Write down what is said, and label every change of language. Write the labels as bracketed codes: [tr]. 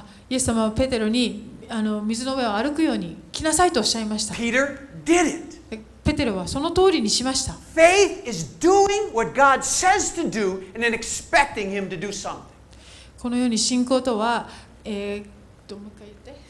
[ja] イエス様はペテロに水の上を歩くように来なさいとおっしゃいました。 [en] Peter did it. [ja] ペテロはその通りにしました。 [en] Faith is doing what God says to do and then expecting Him to do something. [ja] このように信仰とは、もう一回言って。